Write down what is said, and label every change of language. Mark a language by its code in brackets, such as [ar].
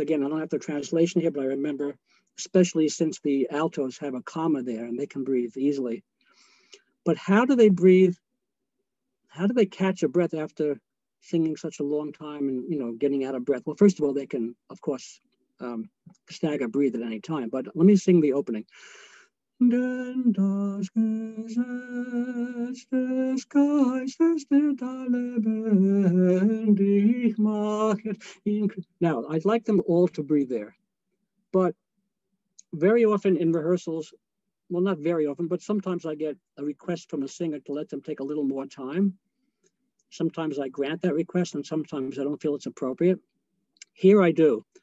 [en] Again, I don't have the translation here, but I remember, especially since the altos have a comma there and they can breathe easily. But how do they breathe? How do they catch a breath after singing such a long time and, you know, getting out of breath? Well, first of all, they can, of course, stagger breathe at any time, but let me sing the opening. [de] Denn das Gesetz des Geistes, der da lebendig macht. [en] Now, I'd like them all to breathe there, but very often in rehearsals, well, not very often, but sometimes I get a request from a singer to let them take a little more time. Sometimes I grant that request and sometimes I don't feel it's appropriate. Here I do.